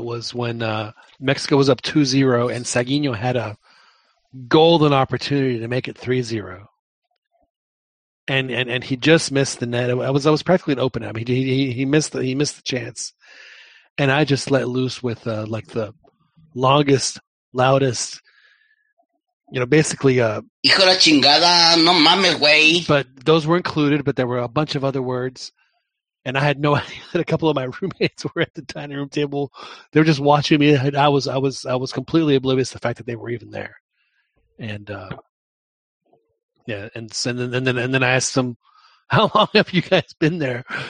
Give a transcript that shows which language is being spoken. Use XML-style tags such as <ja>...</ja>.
<en>It was when Mexico was up 2-0 and Sagino had a golden opportunity to make it 3-0, and he just missed the net. I was practically an open. I mean, he missed the chance, and I just let loose with like the longest, loudest, you know, basically</en> <es>hijo de la chingada, no mames, güey.</es> <en>But those were included, but there were a bunch of other words, and I had no idea that a couple of my roommates were at the dining room table. They were just watching me, and I was completely oblivious to the fact that they were even there. And and then I asked them, how long have you guys been there?</en>